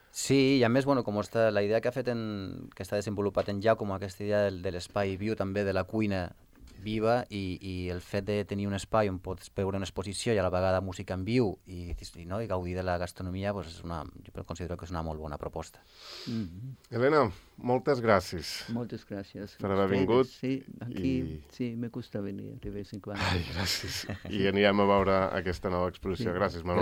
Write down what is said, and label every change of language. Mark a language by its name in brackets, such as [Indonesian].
[Catalan] Sí, i a més, bueno, com està la idea que ha fet, que està desenvolupat en Giacomo, aquesta idea de l'espai viu, també de la cuina viva, i el fet de tenir un espai on pots veure una exposició i a la vegada música en viu no, i gaudir de la gastronomia, pues és una, jo considero que és una molt bona proposta. Mm-hmm. Elena, moltes gràcies. Moltes gràcies. Per haver vingut. [Spanish] Sí, aquí, sí, me gusta venir de vez en cuando. [Catalan] Ai, gràcies. I anirem a veure aquesta nova exposició. Sí. Gràcies, Manolo.